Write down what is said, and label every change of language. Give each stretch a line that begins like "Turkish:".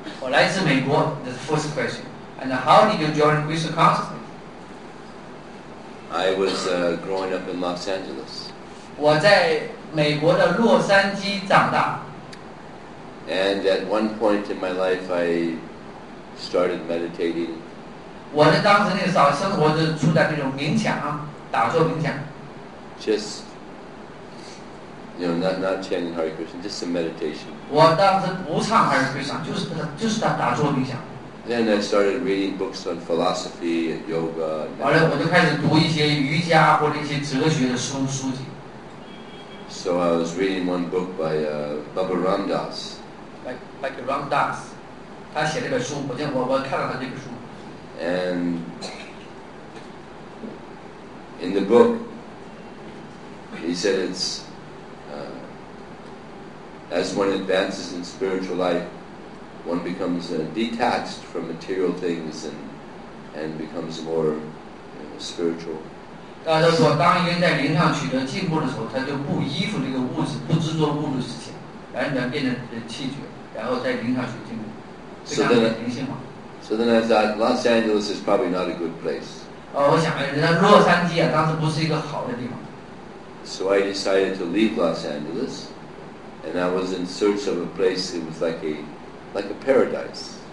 English: Well, that's America, the first question. And how did you join Christian consciousness? I was growing up in Los Angeles.
Chinese: 我在美国的洛杉矶长大。
English: And at one point in my life, I started meditating.
Chinese: 我呢，当时那个时候生活是处在那种冥想啊，打坐冥想。
English: Just, you know, not chanting Hare Krishna, just some meditation.
Chinese: 我当时不唱 Hare Krishna, 就是打坐冥想。
English: Then I started reading books on philosophy and yoga.
Chinese: 后来我就开始读一些瑜伽或者一些哲学的书籍。
English: So I was reading one book by Baba Ramdas.
Chinese: Like Ramdas, 他写了一本书，我看到他这个书。
English: And in the book, he said it's as one advances in spiritual life. One becomes detached from material things and becomes more you know, spiritual.
Chinese: 大家说，当一个人在灵上取得进步的时候，他就不依附这个物质，不执着物质事情，完全变成气绝，然后在灵上取得进步，这样的灵性嘛。
English: So then I thought, Los Angeles is probably not a good place.
Chinese: 我想，人家洛杉矶啊，当时不是一个好的地方。
English: So I decided to leave Los Angeles, and I was in search of a place that was like a paradise.